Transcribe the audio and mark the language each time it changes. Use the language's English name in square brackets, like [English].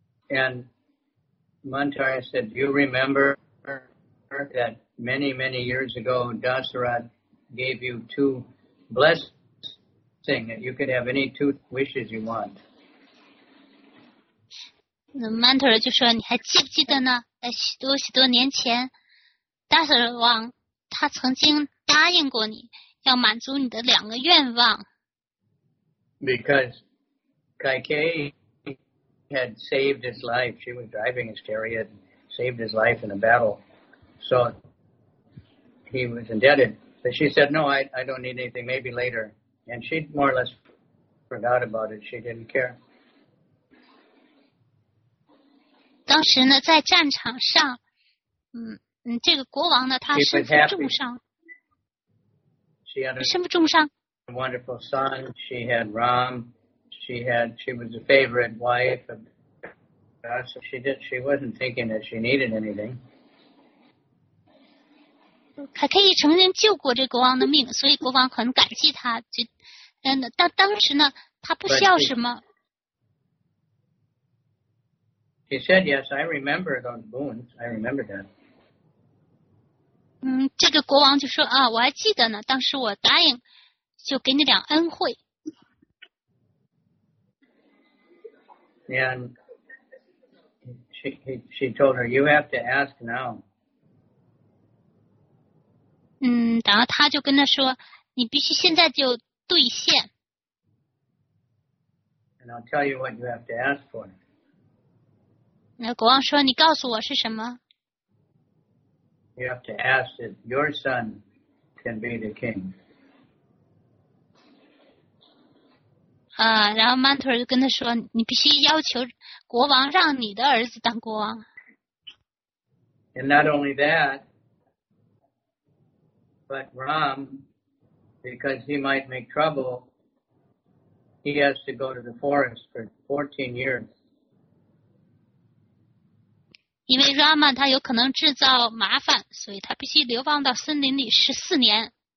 [English] And Mantara said, "Do you remember that many, many years ago, Dasarath gave you two blessings that you could have any two wishes you want?" [Chinese] Mantara 就说，你还记不记得呢？许多许多年前，大蛇王他曾经答应过你，要满足你的两个愿望。 [English] Because Kaikeyi had saved his life, she was driving his chariot, saved his life in a battle, so he was indebted. But she said, "No, I don't need anything. Maybe later, And she more or less forgot about it. She didn't care. [Chinese] 当时呢，在战场上，这个国王呢，他身负重伤。 [English] She had a, [Chinese] 身负重伤。 [English] A wonderful son. She had Ram. She was a favorite wife of God. So she did. She wasn't thinking that she needed anything. [Chinese] 他可以曾经救过这国王的命，所以国王很感激他。就，但当时呢，他不需要什么。 [English] He said, "Yes, I remember those boons. I remember that." [Chinese] 这个国王就说啊，我还记得呢。当时我答应，就给你两恩惠。 [English] And she told her, "You have to ask now." [Chinese] 然后他就跟他说，你必须现在就兑现。 [English] And I'll tell you what you have to ask for. [Chinese] 那国王说：“你告诉我是什么？” [English] You have to ask that your son can be the king. [Chinese] 然后曼陀尔就跟他说：“你必须要求国王让你的儿子当国王。” [English] And not only that, but Ram, because he might make trouble, he has to go to the forest for 14 years. [Chinese] 因为 Rama 他有可能制造麻烦，所以他必须流放到森林里14年。